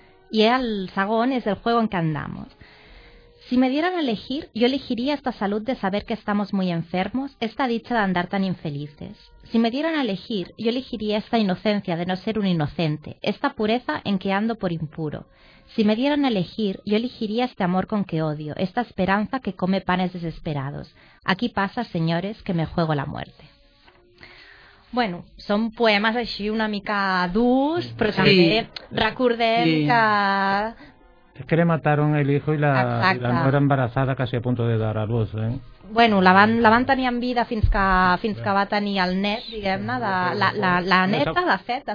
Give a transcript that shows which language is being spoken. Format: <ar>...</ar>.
<es>Y el sagón es el juego en que andamos. Si me dieran a elegir, yo elegiría esta salud de saber que estamos muy enfermos, esta dicha de andar tan infelices. Si me dieran a elegir, yo elegiría esta inocencia de no ser un inocente, esta pureza en que ando por impuro. Si me dieran a elegir, yo elegiría este amor con que odio, esta esperanza que come panes desesperados. Aquí pasa, señores, que me juego la muerte.</es> <ca>Bueno, són poemes així una mica durs, però sí, també recordem, sí, que...</ca> <es>Es que le mataron el hijo y la mujer embarazada casi a punto de dar a luz, ¿eh?</es> <ca>Bueno, la van tenir en vida fins que va tenir el net, diguem-ne, la neta, de fet.</ca>